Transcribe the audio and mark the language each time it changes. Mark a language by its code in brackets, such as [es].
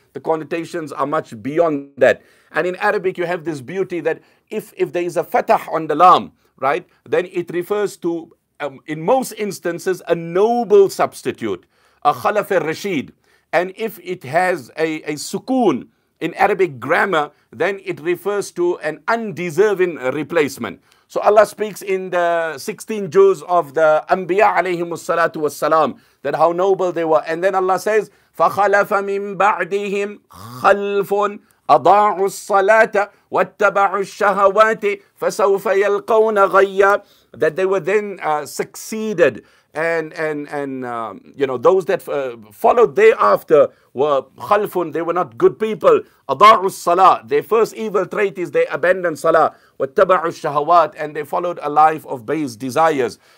[en] The connotations are much beyond that. And in Arabic, you have this beauty that if there is a fatah on the lam, right, then it refers to, in most instances, a noble substitute, a khalaf al-rashid. And if it has a sukoon in Arabic grammar, then it refers to an undeserving replacement. So Allah speaks in the 16 juz of the Anbiya alayhim as-salatu was-salam, that how noble they were. And then Allah says, [ar] فَخَلَفَ مِن بَعْدِهِمْ خَلْفٌ أَضَاعُوا الصَّلَاةَ وَاتَّبَعُوا الشَّهَوَاتِ فَسَوْفَ يَلْقَوْنَ غَيَّا. [en] That they were then succeeded. And you know, those that followed thereafter were khalfun, they were not good people. Adaru salah, their first evil trait is they abandoned salah. Wattaba'u shahawat, and they followed a life of base desires.